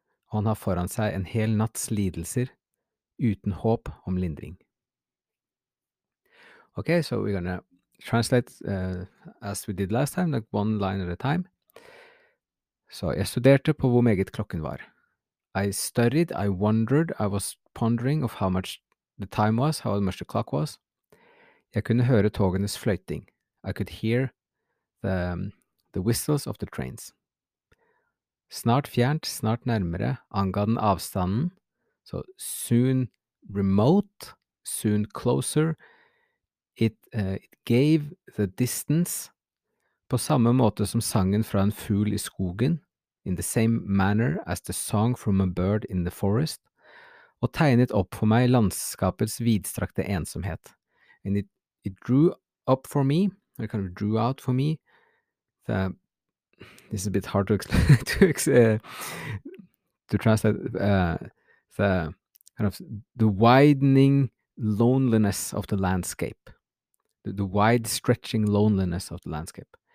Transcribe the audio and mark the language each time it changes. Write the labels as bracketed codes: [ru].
[no] Og han har foran seg en hel natts lidelser, uten håp om lindring. [en] Okay, so we're going to translate as we did last time, like one line at a time. [no] So, jeg studerte på hvor meget klokken var. [en] I studied, I wondered, I was pondering of how much the time was, how much the clock was. [no] Jeg kunne høre togenes fløyting. [en] I could hear the whistles of the trains. [no] Snart fjernt, snart nærmere, anga den avstanden. [en] So soon remote, soon closer. It gave the distance. [no] På samme måte som sangen fra en fugl I skogen. [en] In the same manner as the song from a bird in the forest. [no] Og tegnet opp for meg landskapets vidstrakte ensomhet. [en] And it drew up for me, it kind of drew out for me, the... This is a bit hard to explain, to translate the kind of the widening loneliness of the landscape, the wide stretching loneliness of the landscape.